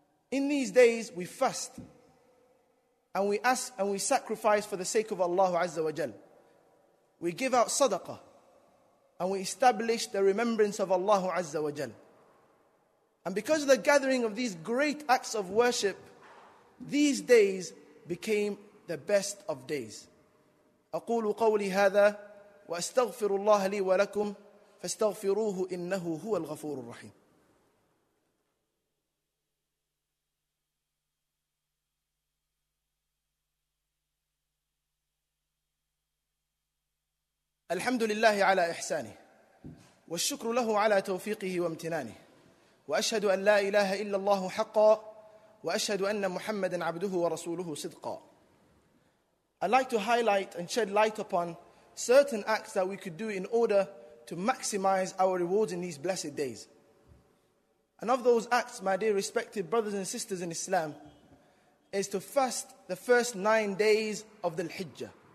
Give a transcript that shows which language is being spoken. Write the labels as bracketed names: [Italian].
[English] In these days, we fast and we ask and we sacrifice for the sake of Allah Azza wa Jal. We give out sadaqah, and we establish the remembrance of Allah Azza wa Jal. And because of the gathering of these great acts of worship, these days became the best of days. [Arabic] أقول قولي هذا وأستغفر الله لي ولكم فاستغفروه إنه هو الغفور الرحيم. الحمد لله على إحسانه والشكر له على توفيقه وامتنانه وأشهد أن لا إله إلا الله حقا وأشهد أن محمدا عبده ورسوله صدقا. [English] I'd like to highlight and shed light upon certain acts that we could do in order to maximize our rewards in these blessed days. And of those acts, my dear respected brothers and sisters in Islam, is to fast the first 9 days of the Hijjah.